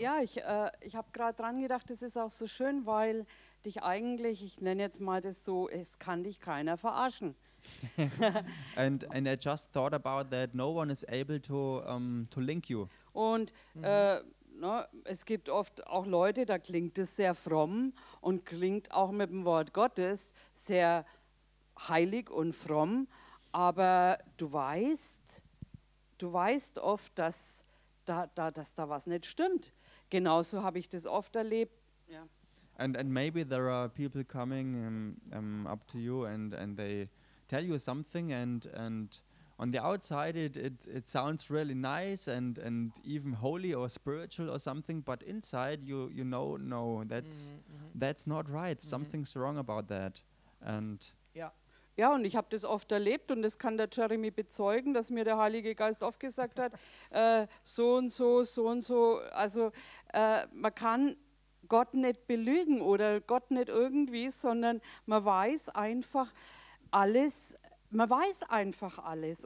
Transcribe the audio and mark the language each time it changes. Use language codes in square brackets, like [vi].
[de] Ja, ich habe gerade dran gedacht, das ist auch so schön, weil dich eigentlich, ich nenne jetzt mal das so, es kann dich keiner verarschen. [en] and I just thought about that no one is able to link you. [de] Und no, es gibt oft auch Leute, da klingt es sehr fromm und klingt auch mit dem Wort Gottes sehr heilig und fromm, aber du weißt oft, dass da was nicht stimmt. Genauso habe ich das oft erlebt. Yeah. [en] And maybe there are people coming up to you and they tell you something and on the outside it sounds really nice and even holy or spiritual or something, but inside you know no, that's that's not right. Something's wrong about that. And [de] ja, und ich habe das oft erlebt und das kann der Jeremy bezeugen, dass mir der Heilige Geist oft gesagt hat, so und so, also man kann Gott nicht belügen oder Gott nicht irgendwie, sondern man weiß einfach alles.